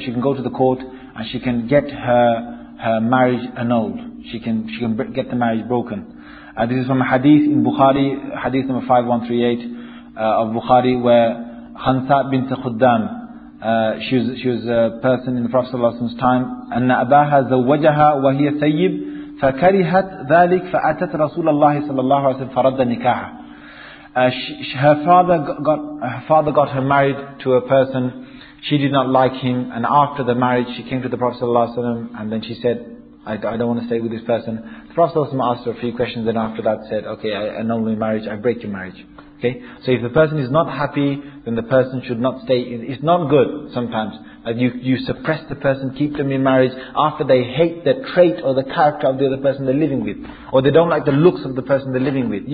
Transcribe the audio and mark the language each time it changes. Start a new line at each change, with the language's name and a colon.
English: She can go to the court and she can get her marriage annulled. She can get the marriage broken. This is from a hadith in Bukhari, hadith number 5138. Of Bukhari, where Khansa bint Khuddam, she was a person in the Prophet's time.
Arabic: أن أباها زوجها وهي ثيب فكرهت ذلك فأتت رسول الله صلى الله عليه وسلم فرد نكاحها.
English: Her father got her married to a person. She did not like him, and after the marriage, she came to the Prophet ﷺ, and then she said, I don't want to stay with this person. The Prophet ﷺ asked her a few questions, and after that said, okay, I annul your marriage, I break your marriage. Okay? So if the person is not happy, then the person should not stay. It's not good sometimes that you suppress the person, keep them in marriage, after they hate the trait or the character of the other person they're living with, or they don't like the looks of the person they're living with.